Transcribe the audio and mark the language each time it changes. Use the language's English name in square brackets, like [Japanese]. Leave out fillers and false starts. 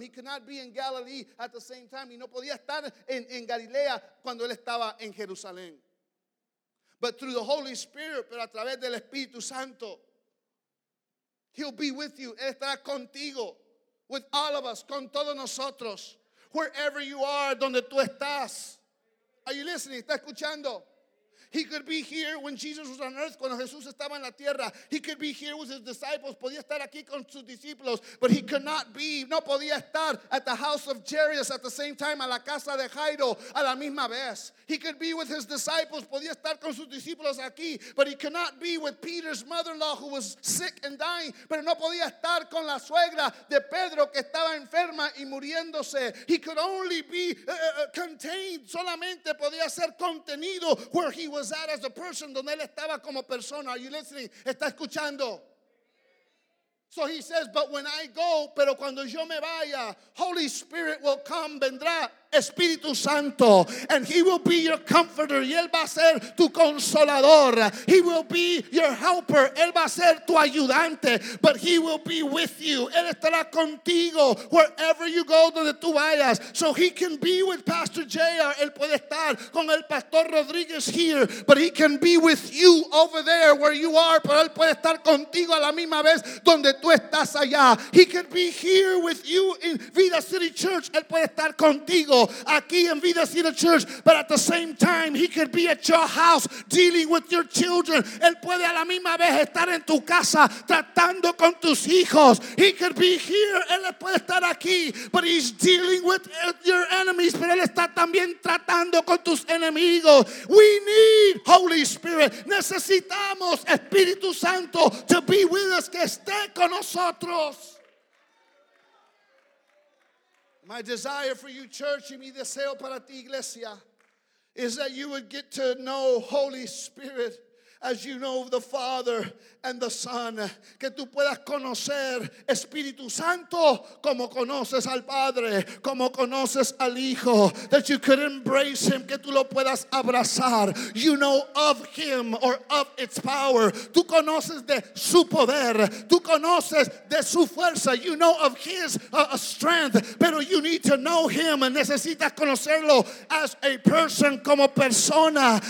[English] He could not be in Galilee at the same time. [Spanish] Y no podía estar en Galilea cuando él estaba en Jerusalén. [English] But through the Holy Spirit, pero a través del Espíritu Santo, He'll be with you. [Spanish] Él estará contigo. With all of us, con todos nosotros. [English] Wherever you are, donde tú estás. Are you listening? ¿Está escuchando? He could be here when Jesus was on earth, cuando Jesús estaba en la tierra. He could be here with his disciples. Podía estar aquí con sus discípulos. But he could not be, no podía estar at the house of Jairus at the same time, a la casa de Jairo, a la misma vez. He could be with his disciples. Podía estar con sus discípulos aquí. But he could not be with Peter's mother-in-law who was sick and dying. [Spanish] Pero no podía estar con la suegra de Pedro que estaba enferma y muriéndose. [English] He could only be contained. Solamente podía ser contenido where he was that as a person, donde él estaba como persona. Are you listening? ¿Está escuchando? So he says, but when I go, pero cuando yo me vaya, Holy Spirit will come, vendrá Espíritu Santo, and he will be your comforter, y él va a ser tu consolador. He will be your helper, él va a ser tu ayudante, but he will be with you, él estará contigo wherever you go, donde tú vayas. So he can be with Pastor JR, él puede estar con el Pastor Rodriguez here, but he can be with you over there where you are, pero él puede estar contigo a la misma vez donde tú estás allá. He can be here with you in Vida City Church, él puede estar contigo aquí en Vida City Church, but at the same time he could be at your house dealing with your children. [Spanish] Él puede a la misma vez estar en tu casa tratando con tus hijos. [English] He could be here, él puede estar aquí, but he's dealing with your enemies, pero él está también tratando con tus enemigos. We need Holy Spirit. Necesitamos Espíritu Santo to be with us, que esté con nosotros. My desire for you, church, y mi deseo para ti, iglesia, is that you would get to know Holy Spirit as you know the Father and the Son. [Spanish] Que tú puedas conocer Espíritu Santo como conoces al Padre, como conoces al Hijo. [English] That you could embrace Him, que tú lo puedas abrazar. You know of Him or of its power. [Spanish] Tú conoces de su poder. Tú conoces de su fuerza. [English] You know of His strength. Pero you need to know Him. [Spanish] Necesitas conocerlo as a person, como persona.